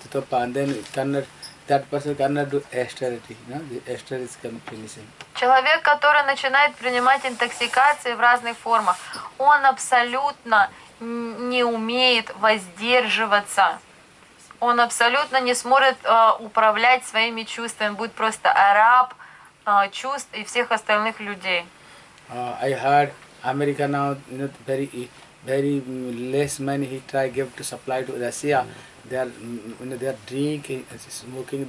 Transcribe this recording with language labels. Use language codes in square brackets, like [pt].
[en] That person cannot do austerity, you know, the austerity is finishing. [ru] Человек, который начинает принимать интоксикации в разных формах, он абсолютно не умеет воздерживаться. Он абсолютно не сможет управлять своими чувствами, будет просто раб чувств и всех остальных людей. [en] I heard America now, you know, very less money he try give to supply to Russia. They are, you know, they are drinking, smoking.